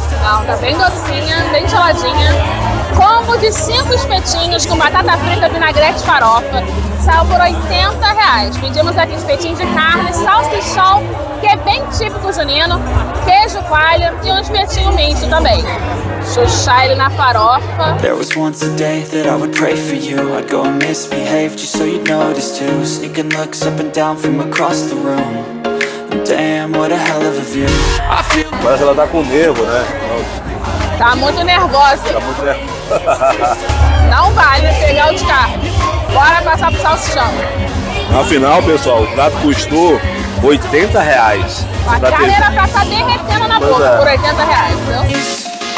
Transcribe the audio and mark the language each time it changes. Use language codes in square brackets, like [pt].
[pt] Não, tá bem docinha, bem geladinha. Combo de 5 espetinhos com batata frita, vinagrete e farofa. Saiu por R$80. Pedimos aqui espetinho de carne, salsichão, que é bem típico junino, queijo coalha e um espetinho misto também. Chuchar ele na farofa. [en] There was once a day that I would pray for you. I'd go and misbehave just so you'd notice too. Sneaking looks up and down from across the room. Damn, what a hell of a view. [pt] Parece que ela tá com nervo, né? Tá muito nervosa. Tá muito nervosa. Não vale pegar o de carro. Bora passar pro salsichão. Afinal, pessoal, o prato custou R$80. A carne era pra tá derretendo na boca por R$80, viu?